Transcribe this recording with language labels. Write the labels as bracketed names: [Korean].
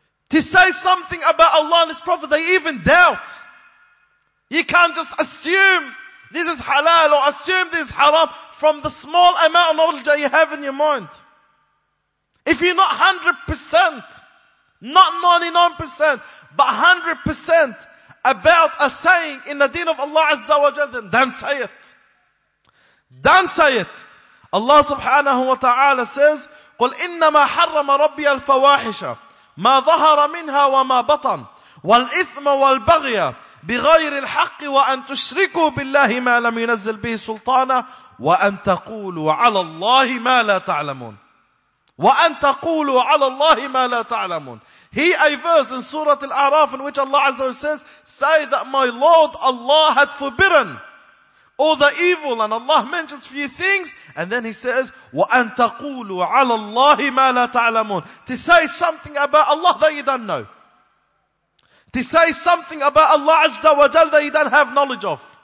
[English] To say something about Allah and His Prophet that you even doubt. You can't just assume this is halal or assume this is haram from the small amount of knowledge that you have in your mind. If you're not 100%, not 99%, but 100% about a saying in the deen of Allah Azza wa Jalla, then don't say it. Don't say it. Allah subhanahu wa ta'ala says, [Arabic] قُلْ إِنَّمَا حَرَّمَ رَبِّيَ الْفَوَاحِشَ مَا ظَهَرَ مِنْهَا وَمَا بَطَنَ وَالْإِثْمَ وَالْبَغْيَ بِغَيْرِ الْحَقِّ وَأَنْ تُشْرِكُوا بِاللَّهِ مَا لَمْ يُنَزِّلْ بِهِ سُلْطَانًا وَأَنْ تَقُولُوا عَلَى اللَّهِ مَا لَا تَعْلَمُونَ وَأَنْ تَقُولُوا عَلَى اللَّهِ مَا لَا تَعْلَمُونَ. [English] Here a verse in Surah Al-A'raf in which Allah Azza wa Jalla says, say that my Lord Allah had forbidden all the evil, and Allah mentions few things, and then He says, [Arabic] وَأَن تَقُولُوا عَلَى اللَّهِ مَا لَا تَعْلَمُونَ. [English] To say something about Allah that you don't know. To say something about Allah Azza wa Jal that you don't have knowledge of.